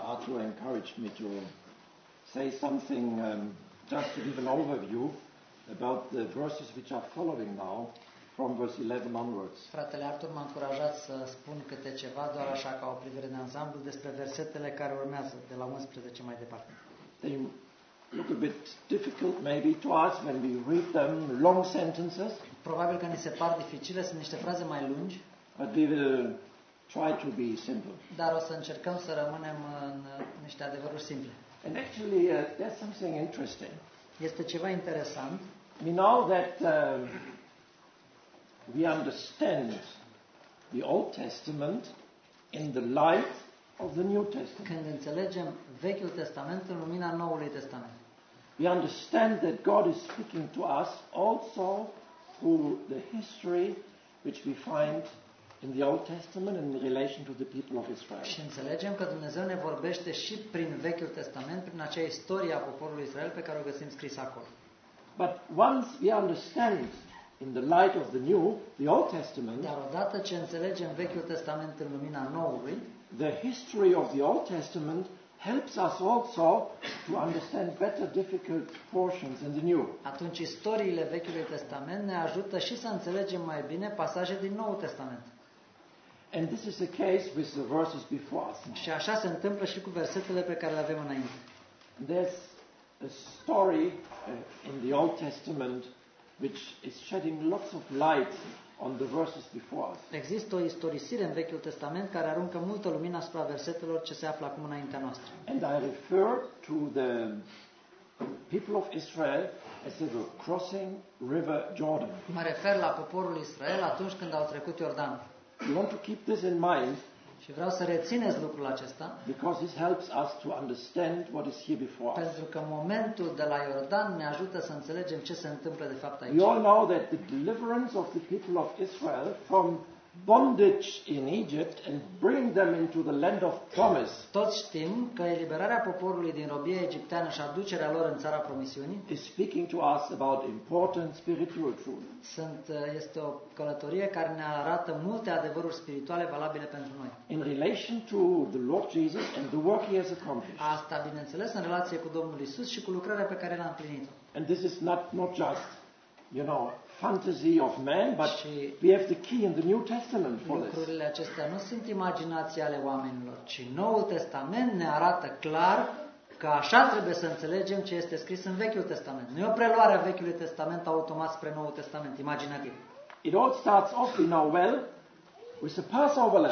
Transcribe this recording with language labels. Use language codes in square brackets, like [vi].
[en] Encouraged me to say something just to give an overview about the verses which are following now from verse 11 onwards. [ro] Fratele Artur m-a încurajat să spun câte ceva doar așa ca o privire de ansamblu despre versetele care urmează de la 11 mai departe. [en] They look a bit difficult maybe to us when we read them, long sentences. [ro] Probabil că ni se par dificile, sunt niște fraze mai lungi. [en] But we will try to be simple. [ro] Dar o să încercăm să rămânem în niște adevăruri simple. [en] And actually, there's something interesting. [ro] Este ceva interesant. [en] We know that we understand the Old Testament in the light of the New Testament. [ro] Când înțelegem Vechiul Testament în lumina Noului Testament. [en] We understand that God is speaking to us also through the history which we find in the Old Testament in relation to the people of Israel. [ro] Și înțelegem că Dumnezeu ne vorbește și prin Vechiul Testament, prin acea istorie a poporului Israel pe care o găsim scris acolo. [en] But once we understand in the light of the new, the Old Testament, [ro] dar odată ce înțelegem Vechiul Testament în lumina noului, [en] the history of the Old Testament helps us also to understand better difficult portions in the New. [ro] Atunci istoriile Vechiului Testament ne ajută și să înțelegem mai bine pasaje din Noul Testament. [en] And this is the case with the verses before us. [ro] Și așa se întâmplă și cu versetele pe care le avem înainte. [en] There's a story in the Old Testament which is shedding lots of light on the verses before us. [ro] Există o istorisire în Vechiul Testament care aruncă multă lumină asupra versetelor ce se află acum înaintea noastră. [en] And I refer to the people of Israel as they were crossing River Jordan. [ro] Mă refer la poporul Israel atunci când au trecut Iordan. [en] You want to keep this in mind? [ro] Și vreau să rețineți lucrul acesta. [en] Because this helps us to understand what is here before us. [ro] Pentru că momentul de la Iordan ne ajută să înțelegem ce se întâmplă de fapt aici. [en] We all know that the deliverance of the people of Israel from bondage in Egypt and bring them into the land of promise. [ro] Toți știm că eliberarea poporului din robia egipteană și aducerea lor în țara promisiunii [en] is speaking to us about important spiritual truth. [ro] Este o călătorie care ne arată multe adevăruri spirituale valabile pentru noi. [en] In relation to the Lord Jesus and the work he has accomplished. [ro] Asta, bineînțeles, în relație cu Domnul Isus și cu lucrarea pe care l-a împlinit. [en] And this is not just, you know, fantasy of man, but we have the key in the New Testament for this. [ro] Lucrurile acestea nu sunt imaginații ale oamenilor, ci Noul Testament ne arată clar că așa trebuie să înțelegem ce este scris în Vechiul Testament. Nu e o preluare a Vechiului Testament automat spre Noul Testament, imaginativ. [en] It all starts off, you know well, with the Passover lamb.